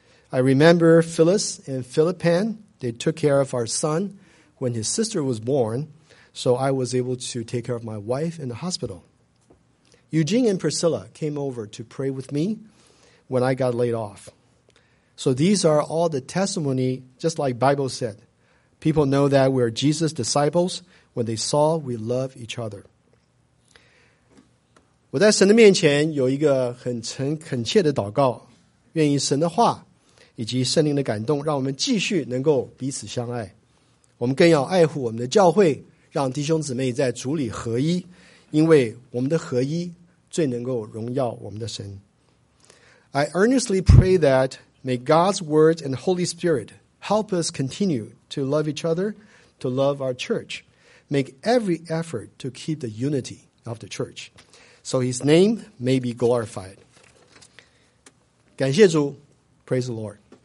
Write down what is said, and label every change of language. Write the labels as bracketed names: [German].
[English] I remember Phyllis and Philip Penn, they took care of our son when his sister was born, so I was able to take care of my wife in the hospital. Eugene and Priscilla came over to pray with me when I got laid off. So these are all the testimony, just like Bible said. People know that we're Jesus' disciples when they saw we love each other. [Chinese] 我在神的面前有一个很诚恳切的祷告，愿意神的话以及圣灵的感动，让我们继续能够彼此相爱。我们更要爱护我们的教会，让弟兄姊妹在主里合一，因为我们的合一最能够荣耀我们的神。 [English] I earnestly pray that may God's word and Holy Spirit help us continue to love each other, to love our church, make every effort to keep the unity of the church. so his name may be glorified. [Chinese] 感谢主, [English] praise the Lord.